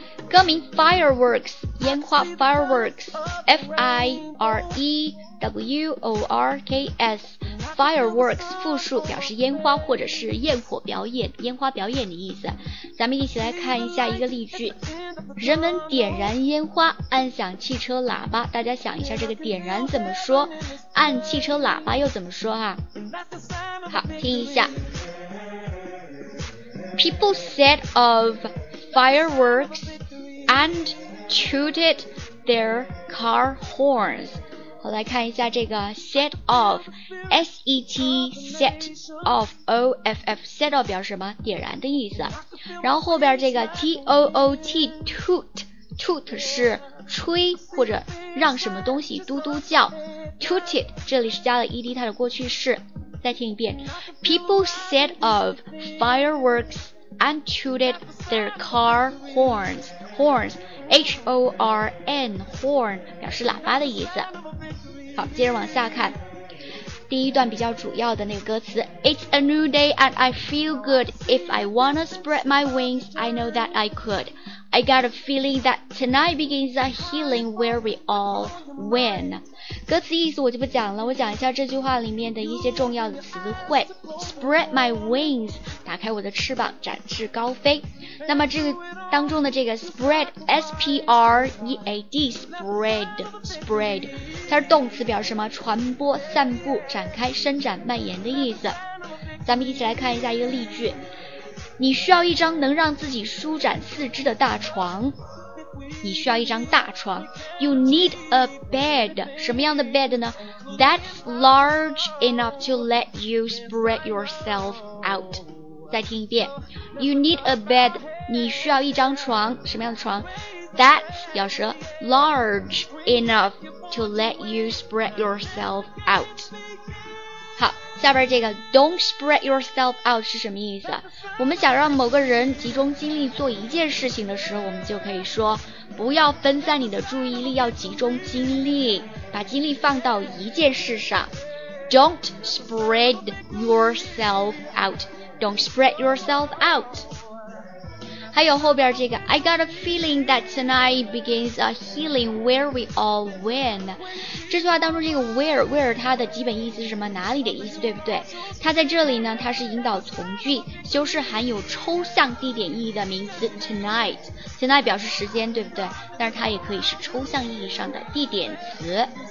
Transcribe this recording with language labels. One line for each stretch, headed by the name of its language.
Chinese: 歌名 Fireworks 烟花 Fireworks F-I-R-E-W-O-R-K-S Fireworks 复数表示烟花或者是焰火表演，烟花表演的意思。咱们一起来看一下一个例句，人们点燃烟花，按响汽车喇叭。大家想一下这个点燃怎么说，按汽车喇叭又怎么说啊？好，听一下。
English: People set of fireworksAnd tooted their car horns.
Chinese: 好，来看一下这个 set off, S-E-T, set off, O-F-F, set off 表示什么？点燃的意思。然后后边这个 T-O-O-T, toot, toot 是吹或者让什么东西嘟嘟叫。 Tooted, 这里是加了 ED, 它的过去式。再听一遍。
English: People set off fireworks and tooted their car horns.
Chinese: Horns, H-O-R-N, horn, 表示喇叭的意思。好，接着往下看。第一段比较主要的那个歌词
English: It's a new day and I feel good. If I wanna spread my wings, I know that I could. I got a feeling that tonight begins a healing where we all win.
Chinese: 歌词意思我就不讲了，我讲一下这句话里面的一些重要的词汇。
English: Spread my wings,
Chinese: 打开我的翅膀展翅高飞。那么这个当中的这个 spread, S-P-R-E-A-D, spread, spread, 它是动词表示什么？传播、散布、展开、伸展、蔓延的意思。咱们一起来看一下一个例句，你需要一张能让自己舒展四肢的大床。你需要一张大床。
English: You need a bed.
Chinese: 什么样的 bed 呢？
English: That's large enough to let you spread yourself out.
Chinese: 再听一遍。
English: You need a bed.
Chinese: 你需要一张床。什么样的床？
English: That's
Chinese: 咬舌
English: large enough to let you spread yourself out.
Chinese: 下边这个
English: don't spread yourself out
Chinese: 是什么意思？我们想让某个人集中精力做一件事情的时候，我们就可以说不要分散你的注意力，要集中精力，把精力放到一件事上。
English: Don't spread yourself out. Don't spread yourself out.
Chinese: 还有后边这个
English: I got a feeling that tonight begins a healing where we all win.
Chinese: 这句话当中这个 where 它的基本意思是什么？哪里的意思，对不对？它在这里呢，它是引导从句，修饰含有抽象地点意义的名词 tonight。 tonight 表示时间，对不对？但是它也可以是抽象意义上的地点词。